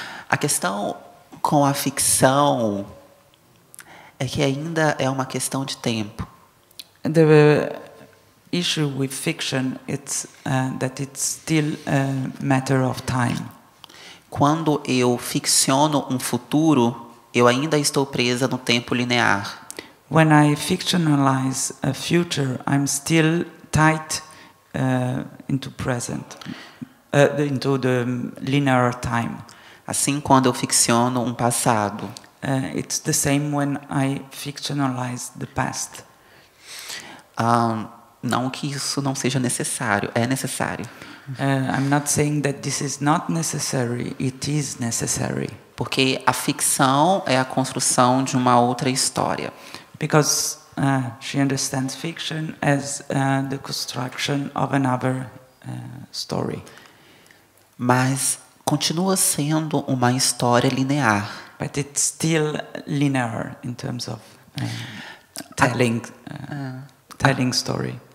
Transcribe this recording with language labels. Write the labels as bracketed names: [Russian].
[Portuguese] A questão com a ficção é que ainda é uma questão de tempo. [English] The issue with fiction is that it's still a matter of time. [Portuguese] Quando eu ficciono futuro, eu ainda estou presa no tempo linear. [English] When I fictionalize a future, I'm still tied into present, into the linear time. [Portuguese] Assim quando eu ficciono passado. [English] It's the same when I fictionalize the past. [Portuguese] Não que isso não seja necessário, é necessário. [English] I'm not saying that this is not necessary, it is necessary. [Portuguese] Porque a ficção é a construção de uma outra história. [English] Because she understands fiction as the construction of another story. [Portuguese] Mas continua sendo uma história linear. [English] But it's still linear in terms of telling story.